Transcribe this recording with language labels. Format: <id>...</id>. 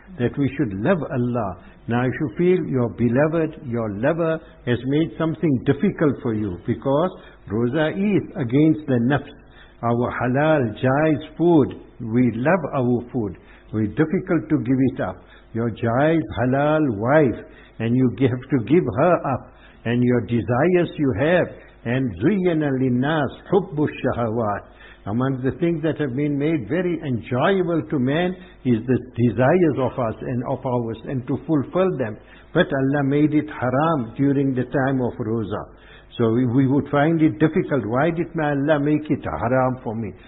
<en>That we should love Allah. Now if you feel your beloved, your lover has made something difficult for you. Because roza is against the nafs. Our halal, jais food. We love our food. We difficult to give it up. Your jais, halal wife. And you have to give her up. And your desires you have.</en> <ar>And زُيِّنَ لِلنَّاسِ حُبُّ الشَّهَوَاتِ.</ar> <en>Among the things that have been made very enjoyable to man is the desires of us and of ours and to fulfill them. But Allah made it haram during the time of Roza. So we would find it difficult. Why did my Allah make it haram for me?</en>